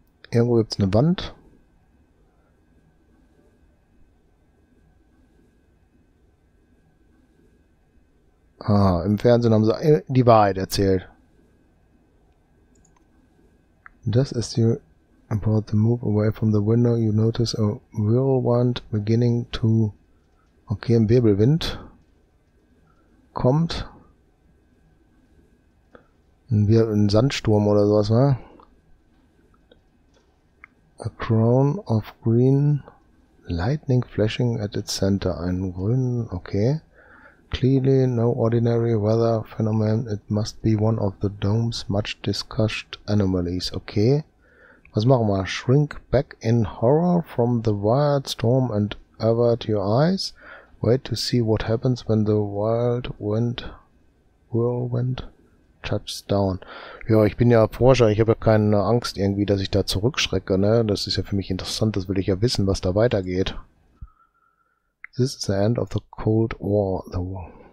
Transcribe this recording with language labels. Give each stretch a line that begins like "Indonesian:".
German: Irgendwo gibt's eine Wand. Ah, im Fernsehen haben sie die Wahrheit erzählt.
English: Just as you about to move away from the window, you notice a whirlwind beginning to...
German: Okay, ein Wirbelwind kommt. Ein Sandsturm oder sowas, ne?
English: A crown of green lightning flashing at its center.
German: Ein grün,
English: okay. Clearly no ordinary weather phenomenon. It must be one of the dome's much discussed anomalies. Okay.
German: Was machen wir?
English: Shrink back in horror from the wild storm and avert your eyes. Wait to see what happens when the wild wind whirlwind touches down.
German: Ja, ich bin ja Forscher, ich habe ja keine Angst irgendwie, dass ich da zurückschrecke, ne? Das ist ja für mich interessant, das will ich ja wissen, was da weitergeht.
English: This is the end of the Cold War.